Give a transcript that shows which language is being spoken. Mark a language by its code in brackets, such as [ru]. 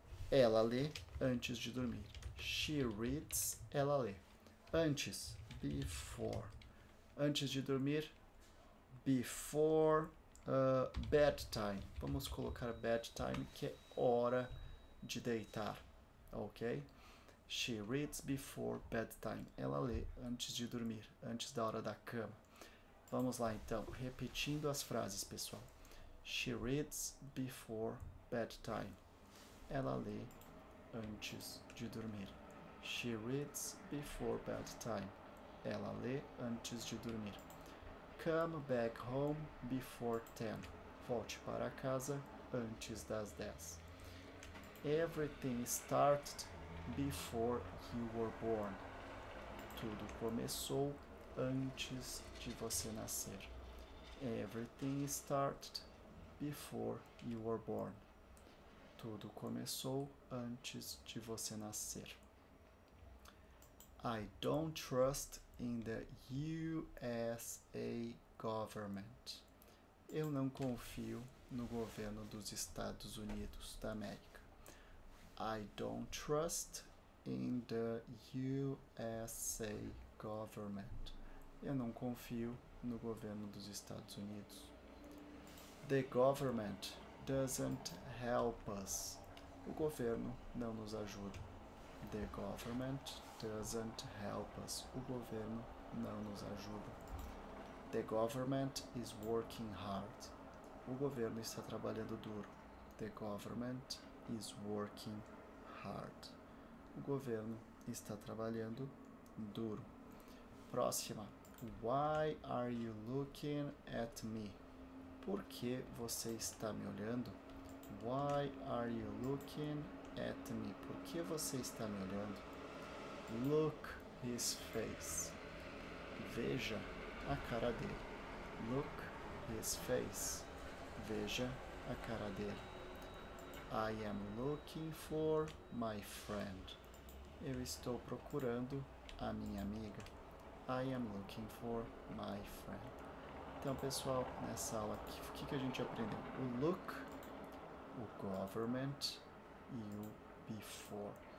[pt] Ela lê antes de dormir. [en] She reads, [pt] ela lê. Antes, before. Antes de dormir, [en] before bedtime. [pt] Vamos colocar bedtime, que é hora de deitar. Ok? [en] She reads before bedtime. [pt] Ela lê antes de dormir, antes da hora da cama. Vamos lá, então, repetindo as frases, pessoal. [en] She reads before bedtime. [pt] Ela lê antes de dormir. [en] She reads before bedtime. [pt] Ela lê antes de dormir. [en] Come back home before 10. [pt] Volte para casa antes das 10. [en] Everything started before you were born. [pt] Tudo começou antes de você nascer. [en] Everything started before you were born. [pt] Tudo começou antes de você nascer. [en] I don't trust in the USA government. [pt] Eu não confio no governo dos Estados Unidos da América. [en] I don't trust in the USA government. [pt] Eu não confio no governo dos Estados Unidos. [en] The government doesn't help us. [pt] O governo não nos ajuda. [en] The government doesn't help us. [pt] O governo não nos ajuda. [en] The government is working hard. [pt] O governo está trabalhando duro. [en] The government is working hard. [pt] O governo está trabalhando duro. Próxima. [en] Why are you looking at me? [pt] Por que você está me olhando? [en] Why are you looking at me? [pt] Por que você está me olhando? [en] Look his face. [pt] Veja a cara dele. [en] Look his face. [pt] Veja a cara dele. [en] I am looking for my friend. [pt] Eu estou procurando a minha amiga. [en] I am looking for my friend. [pt] Então, pessoal, nessa aula aqui, o que que a gente aprendeu? O look, o government e o before.